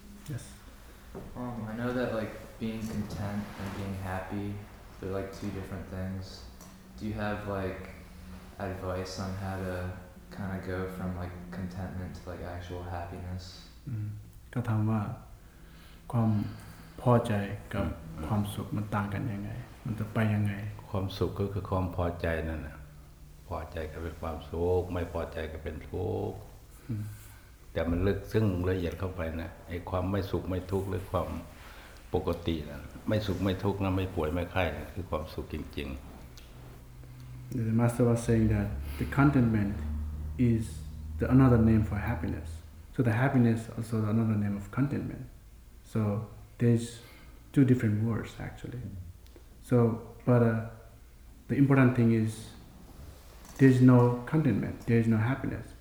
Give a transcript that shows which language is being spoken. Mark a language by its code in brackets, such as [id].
[en] Yes. I know that like being content and being happy, they're like two different things. Do you have like advice on how to kind of go from like contentment to like actual happiness? [th] ก็ถามว่าความพอใจกับความสุขมันต่างกันยังไงมันจะไปยังไง ความสุขก็คือความพอใจนั่นน่ะพอใจก็เป็นความสุขไม่พอใจก็เป็นทุกข์แต่มันลึกซึ้งละเอียดเข้าไปนะไอ้ความไม่สุขไม่ทุกข์หรือความปกตินั่นไม่สุขไม่ทุกข์นะไม่ป่วยไม่ไข้นั่นคือความสุขจริง [en] ๆ The master was saying that the contentment is the another name for happiness so the happiness also another name of contentmentSo there's two different words actually. So, but the important thing is there's no contentment, there's no happiness.